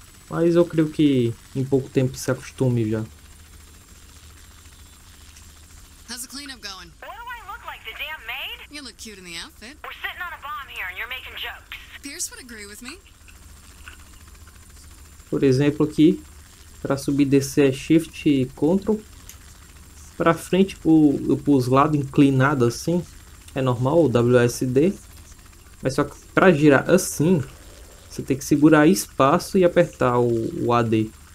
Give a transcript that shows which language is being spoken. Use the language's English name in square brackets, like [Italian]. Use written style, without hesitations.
[Portuguese] Mas eu creio que em pouco tempo se acostume já. [English] How's the cleanup going? What do I look like, the damn maid? You look cute in the outfit. We're sitting on a bomb here and you're making jokes. Pierce would agree with me. [Portuguese] Por exemplo, aqui pra subir e descer é shift e control. Pra frente, pros lados inclinado assim, é normal, o WSD. Mas só que pra girar assim, você tem que segurar espaço e apertar o AD.